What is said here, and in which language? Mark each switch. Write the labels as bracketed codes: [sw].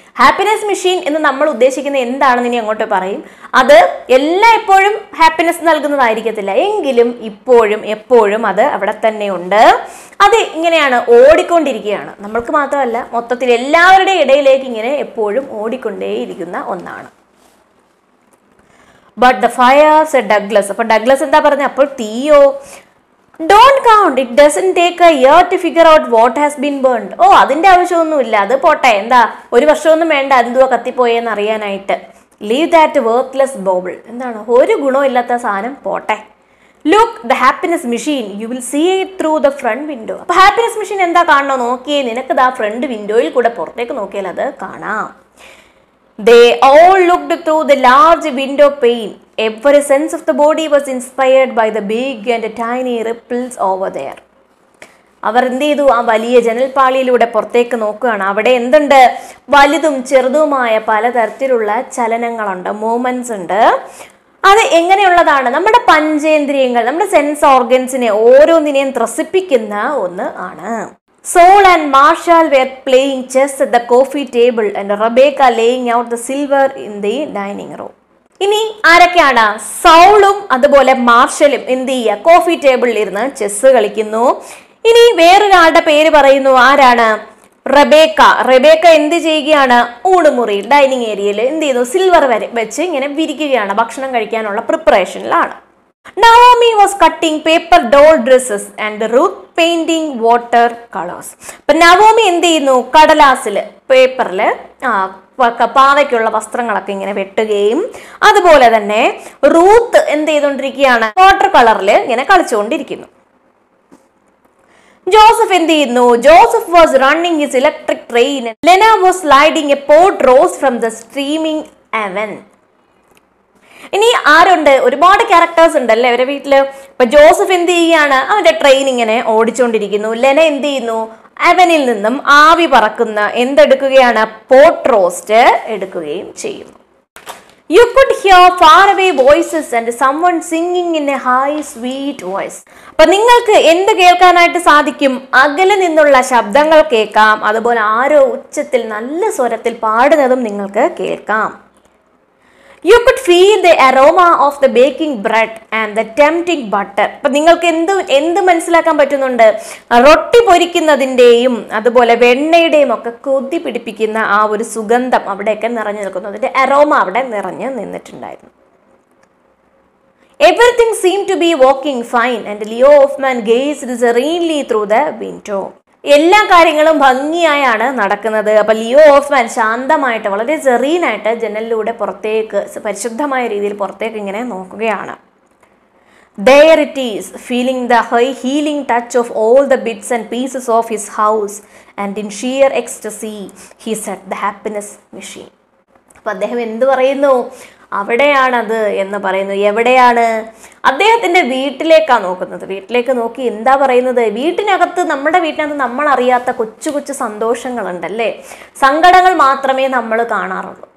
[ml] Happiness machine എന്ന് നമ്മൾ ഉദ്ദേശിക്കുന്ന എന്താണെന്ന് ഇനി അങ്ങോട്ട് പറയും. അത് എല്ലാം എപ്പോഴും ഹാപ്പിനെസ് നൽകുന്നതായിരിക്കത്തില്ല, എങ്കിലും ഇപ്പോഴും എപ്പോഴും അത് അവിടെ തന്നെയുണ്ട്, അത് ഇങ്ങനെയാണ് ഓടിക്കൊണ്ടിരിക്കുകയാണ്. നമ്മൾക്ക് മാത്രമല്ല, മൊത്തത്തിൽ എല്ലാവരുടെ ഇടയിലേക്ക് ഇങ്ങനെ എപ്പോഴും ഓടിക്കൊണ്ടേയിരിക്കുന്ന ഒന്നാണ്. [en] but the fire said Douglas, [ml] അപ്പോൾ ഡഗ്ലസ് എന്താ പറഞ്ഞത്, അപ്പോൾ തീയോ, [en] Don't count, it doesn't take a year to figure out what has been burned. [ml] Oh, അതിൻ്റെ ആവശ്യമൊന്നുമില്ല, അത് പോട്ടെ, എന്താ ഒരു വർഷമൊന്നും വേണ്ട എന്തുവാ കത്തിപ്പോയെന്ന് അറിയാനായിട്ട്. [en] Leave that worthless bauble. [ml] എന്താണ്, ഒരു ഗുണവും ഇല്ലാത്ത സാധനം പോട്ടെ. [en] Look the happiness machine, you will see it through the front window. [ml] അപ്പൊ ഹാപ്പിനെസ് മെഷീൻ എന്താ കാണണോ നോക്കിയേ, നിനക്ക് ദാ ഫ്രണ്ട് വിൻഡോയിൽ കൂടെ പുറത്തേക്ക് നോക്കിയാൽ അത് കാണാം. [en] They all looked through the large window pane. Every sense of the body was inspired by the big and tiny ripples over there. [ml] അവർ എന്ത് ചെയ്തു, ആ വലിയ ജനൽപ്പാളിയിലൂടെ പുറത്തേക്ക് നോക്കുകയാണ്. അവിടെ എന്തുണ്ട്, വലുതും ചെറുതുമായ പലതരത്തിലുള്ള ചലനങ്ങളുണ്ട്, മൂവ്മെന്റ്സ് ഉണ്ട്. അത് എങ്ങനെയുള്ളതാണ്, നമ്മുടെ പഞ്ചേന്ദ്രിയങ്ങൾ, നമ്മുടെ സെൻസ് ഓർഗൻസിനെ ഓരോന്നിനെയും ത്രസിപ്പിക്കുന്ന ഒന്ന് ആണ്. [en] Saul and Marshall were playing chess at the coffee table and Rebecca laying out the silver in the dining room. [ml] ഇനി ആരൊക്കെയാണ്, സോളും അതുപോലെ മാർഷലും എന്ത് ചെയ്യുക, കോഫി ടേബിളിൽ ഇരുന്ന് ചെസ് കളിക്കുന്നു. ഇനി വേറൊരാളുടെ പേര് പറയുന്നു, ആരാണ്, റബേക്ക. റബേക്ക എന്ത് ചെയ്യുകയാണ്, ഊണുമുറിയിൽ ഡൈനിങ് ഏരിയയിൽ എന്ത് ചെയ്യുന്നു, സിൽവർ വരെ വെച്ച് ഇങ്ങനെ വിരിക്കുകയാണ്, ഭക്ഷണം കഴിക്കാനുള്ള പ്രിപ്പറേഷനിലാണ്. [en] Naomi was cutting paper doll dresses and Ruth painting water colors. [ml] But Naomi എന്ത് ചെയ്യുന്നു, കടലാസിൽ പേപ്പറിൽ പാവയ്ക്കുള്ള വസ്ത്രങ്ങളൊക്കെ ഇങ്ങനെ വെട്ടുകയും അതുപോലെ തന്നെ റൂത്ത് എന്ത് ചെയ്തുകൊണ്ടിരിക്കുകയാണ്, വാട്ടർ കളറിൽ ഇങ്ങനെ കളിച്ചുകൊണ്ടിരിക്കുന്നു. ജോസഫ് എന്ത് ചെയ്യുന്നു, [en] Joseph was running his electric train, Lena was sliding a pot roast from the steaming oven. [ml] ഇനി ആരുണ്ട്, ഒരുപാട് ക്യാരക്ടേഴ്സ് ഉണ്ടല്ലേ അവരെ വീട്ടില്. അപ്പൊ ജോസഫ് എന്ത് ചെയ്യാണ്, അവന്റെ ട്രെയിൻ ഇങ്ങനെ ഓടിച്ചുകൊണ്ടിരിക്കുന്നു. ലെന എന്ത് ചെയ്യുന്നു, അവനിൽ നിന്നും ആവി പറക്കുന്ന എന്തെടുക്കുകയാണ്, പോട്ട് റോസ്റ്റ് എടുക്കുകയും ചെയ്യുന്നു. [en] You could hear far away voices and someone singing in a high sweet voice. [ml] അപ്പൊ നിങ്ങൾക്ക് എന്ത് കേൾക്കാനായിട്ട് സാധിക്കും, അകലെ നിന്നുള്ള ശബ്ദങ്ങൾ കേൾക്കാം, അതുപോലെ ആരോ ഉച്ചത്തിൽ നല്ല സ്വരത്തിൽ പാടുന്നതും നിങ്ങൾക്ക് കേൾക്കാം. [en] You could feel the aroma of the baking bread and the tempting butter. [ml] അപ്പൊ നിങ്ങൾക്ക് എന്ത് മനസ്സിലാക്കാൻ പറ്റുന്നുണ്ട്, റൊട്ടി പൊരിക്കുന്നതിൻ്റെയും അതുപോലെ വെണ്ണയുടെയും ഒക്കെ കൊതി പിടിപ്പിക്കുന്ന ആ ഒരു സുഗന്ധം അവിടെയൊക്കെ നിറഞ്ഞു നിൽക്കുന്നു, അതിൻ്റെ അറോമ അവിടെ നിറഞ്ഞു നിന്നിട്ടുണ്ടായിരുന്നു. [en] Everything seemed to be working fine and Leo Hoffman gazed serenely through the window. [ml] എല്ലാ കാര്യങ്ങളും ഭംഗിയായാണ് നടക്കുന്നത്. അപ്പൊ ലിയോ ഹോഫ്മാൻ ശാന്തമായിട്ട് വളരെ ചെറിയനായിട്ട് ജനലിലൂടെ പുറത്തേക്ക് പരിശുദ്ധമായ രീതിയിൽ പുറത്തേക്ക് ഇങ്ങനെ നോക്കുകയാണ്. [en] There it is, feeling the high healing touch of all the bits and pieces of his house and in sheer ecstasy he set the happiness machine. [ml] അപ്പൊ അദ്ദേഹം എന്ത് പറയുന്നു, അവിടെയാണത് എന്ന് പറയുന്നു. എവിടെയാണ്, അദ്ദേഹത്തിൻ്റെ വീട്ടിലേക്കാണ് നോക്കുന്നത്. വീട്ടിലേക്ക് നോക്കി എന്താ പറയുന്നത്, വീട്ടിനകത്ത് നമ്മുടെ വീട്ടിനകത്ത് നമ്മൾ അറിയാത്ത കൊച്ചു കൊച്ചു സന്തോഷങ്ങളുണ്ടല്ലേ, സങ്കടങ്ങൾ മാത്രമേ നമ്മൾ കാണാറുള്ളൂ.